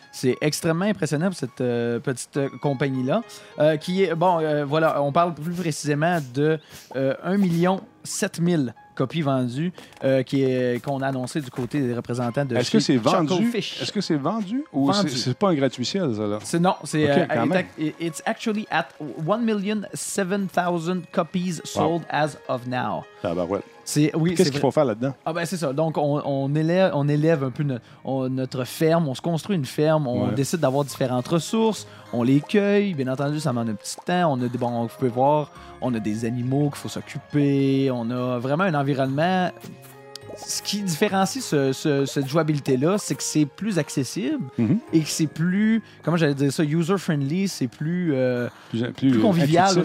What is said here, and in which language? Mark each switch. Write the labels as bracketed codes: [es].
[fr] C'est extrêmement impressionnant pour cette petite compagnie-là. Qui est, voilà, on parle plus précisément de 1,007,000 copies vendues qu'on a annoncé du côté des représentants de Chucklefish. Est-ce que c'est vendu ou c'est pas un gratuit ciel, ça, là? C'est, non, c'est... [en] Okay, it's actually at 1,007,000 copies sold as of now. [fr] Tabarouette. C'est, oui, qu'est-ce c'est qu'il faut faire là-dedans? Ah ben c'est ça. Donc, on élève un peu notre ferme. On se construit une ferme. On décide d'avoir différentes ressources. On les cueille. Bien entendu, ça demande un petit temps. On a des, bon, vous pouvez voir, on a des animaux qu'il faut s'occuper. On a vraiment un environnement. Ce qui différencie cette jouabilité-là, c'est que c'est plus accessible et que c'est plus, comment j'allais dire ça, user-friendly, c'est plus convivial,